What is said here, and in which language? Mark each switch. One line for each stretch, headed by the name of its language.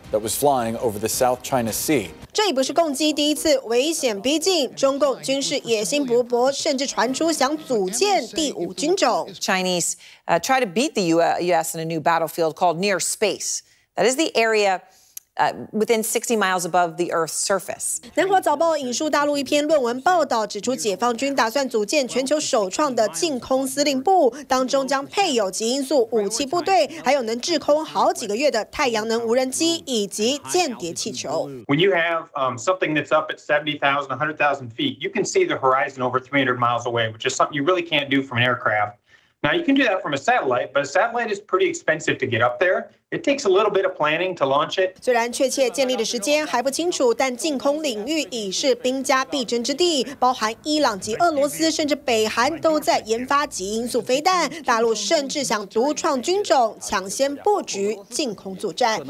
English: That was flying over the South China Sea.
Chinese: 这也不是共机第一次危险逼近，中共军事野心勃勃，甚至传出想组建第五军种。
English: Chinese try to beat the U.S. in a new battlefield called near space. That is the area. Within 60 miles above the Earth's surface.
Chinese: 南华早报引述大陆一篇论文报道，指出解放军打算组建全球首创的禁空司令部，当中将配有极音速武器部队，还有能滞空好几个月的太阳能无人机以及间谍气球。
English: When you have something that's up at 70,000, 100,000 feet, you can see the horizon over 300 miles away, which is something you really can't do from an aircraft. Now, you can do that from a satellite, but a satellite is pretty expensive to get up there. It takes a little bit of planning to launch it.
Chinese: 虽然确切建立的时间还不清楚，但禁空领域已是兵家必争之地，包含伊朗及俄罗斯，甚至北韩都在研发极音速飞弹。大陆甚至想独创军种，抢先布局禁空作战。